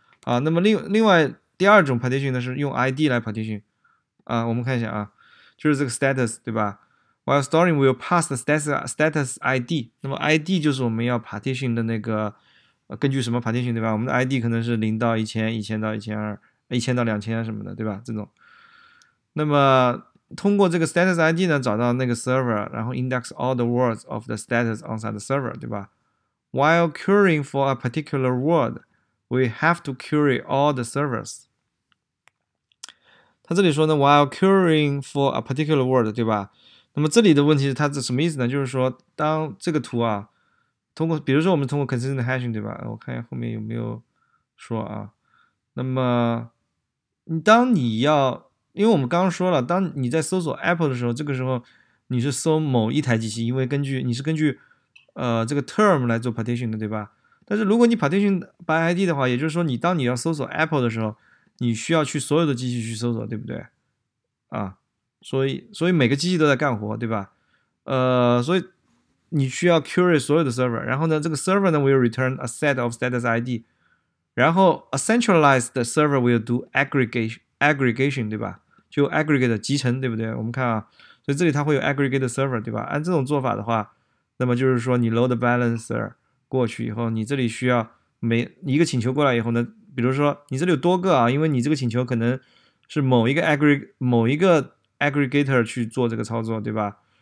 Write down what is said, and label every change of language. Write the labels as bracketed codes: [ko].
[zh] 啊，那么另外第二种 partition 呢，是用 ID 来 partition，啊，我们看一下啊，就是这个 status，对吧？ [en] While storing, we'll pass the status ID。 [zh] 那么 ID 就是我们要 partition 的那个，根据什么 partition 对吧？我们的 ID 可能是零到一千，一千到一千二，一千到2000什么的，对吧？这种。那么通过这个 status ID 呢，找到那个 server，然后 [en] index all the words of the status onside the server，对吧？While querying for a particular word, we have to query all the servers。 [zh] 他这里说呢 [en] while querying for a particular word， [zh] 对吧？那么这里的问题是它是什么意思呢？就是说当这个图啊，通过比如说我们通过 consistent hashing， 对吧？我看一下后面有没有说啊。那么当你要，因为我们刚刚说了，当你在搜索 Apple 的时候，这个时候你是搜某一台机器，因为根据你是根据这个 term 来做 partition 的，对吧？但是如果你 partition by ID 的话，也就是说你当你要搜索 Apple 的时候，你需要去所有的机器去搜索，对不对？啊，所以每个机器都在干活，对吧？所以你需要 query 所有的 server， 然后呢，这个 server 呢 [en] will return a set of status ID， 然后 a centralized server will do aggregation， 对吧？ [zh] 就 aggregate 集成，对不对？我们看啊，所以这里它会有 aggregate server， 对吧？按这种做法的话，那么就是说你 load balancer 过去以后，你这里需要每一个请求过来以后呢，比如说你这里有多个啊，因为你这个请求可能是某一个 aggregator 去做这个操作，对吧？